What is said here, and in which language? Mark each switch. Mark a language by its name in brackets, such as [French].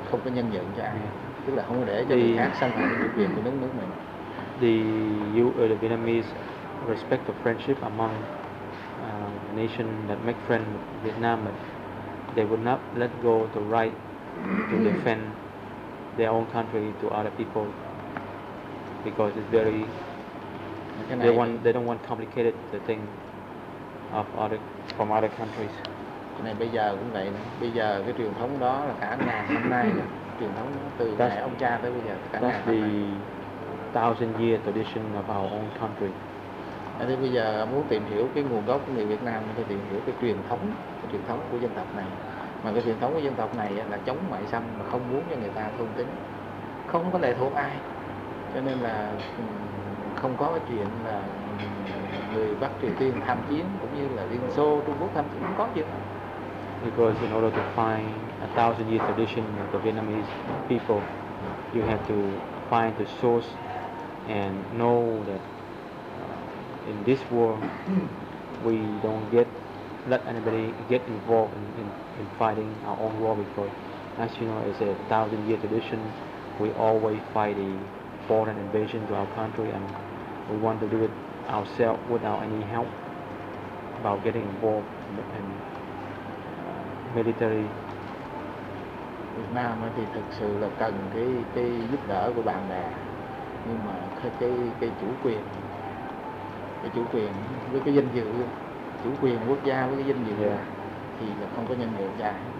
[Vietnamese] không có nhân nhượng cho ai. Yeah. Tức là không có để cho người khác xâm phạm chủ quyền của đất nước mình. [English] The you the Vietnamese respect the friendship among nation that make friend with Vietnam, but they would not let go the right to defend their own country to other people, because it's very they don't want complicated the thing of other from other countries. [Vietnamese] Cái này bây giờ cũng vậy, bây giờ cái truyền thống đó là cả ngàn năm nay, truyền thống từ ngày ông cha tới bây giờ cả ngàn năm nay. [English] Thousand year tradition of our own country. [Vietnamese] Thế bây giờ muốn tìm hiểu cái nguồn gốc của người Việt Nam thì tìm hiểu cái truyền thống của dân tộc này. Mà cái truyền thống của dân tộc này là chống ngoại xâm, mà không muốn cho người ta thôn tính, không có lệ thuộc ai. Cho nên là không có cái chuyện là người Bắc Triều Tiên tham chiến cũng như là Liên Xô, Trung Quốc tham chiến, không có gì. [English] Because in order to find a thousand year tradition of the Vietnamese people, you have to find the source and know that in this war we don't get let anybody get involved in fighting our own war, because as you know, it's a thousand year tradition. We always fight the foreign invasion to our country, and we want to do it ourselves without any help about getting involved in military. [Vietnamese] Việt Nam thì thực sự là cần cái giúp đỡ của bạn bè, nhưng mà cái chủ quyền với cái danh dự, chủ quyền quốc gia với cái danh dự thì là không có nhân nhượng dài.